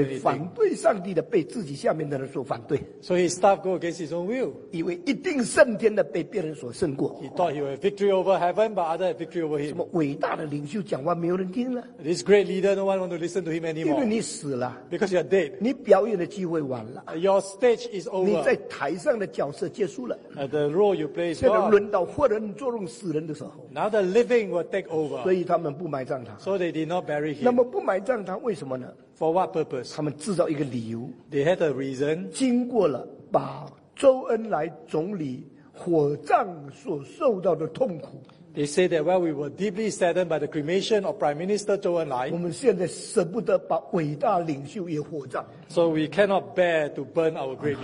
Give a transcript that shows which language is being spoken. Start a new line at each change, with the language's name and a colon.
Chinese: 所以反对上帝的被自己下面的人所反对。
English: So his staff go against his own will.
Chinese: 以为一定胜天的被别人所胜过。
English: He thought he would have victory over heaven, but others had victory over him.
Chinese: 什么伟大的领袖讲话没有人听了。
English: This great leader, no one want to listen to him anymore.
Chinese: 因为你死了。
English: Because you are dead.
Chinese: 你表演的机会完了。
English: Your stage is over.
Chinese: 你在台上的角色结束了。
English: The role you play is gone.
Chinese: 现在轮到活人。作用死人的时候
English: Now the living will take over.
Chinese: 所以他们不埋葬他
English: So they did not bury him.
Chinese: 那么不埋葬他为什么呢
English: For what purpose?
Chinese: 他们制造一个理由
English: They had a reason.
Chinese: 经过了把周恩来总理火葬所受到的痛苦
English: They say that while we were deeply saddened by the cremation of Prime Minister 周恩来
Chinese: 我们现在舍不得把伟大领袖也火葬
English: So we cannot bear to burn our great leader.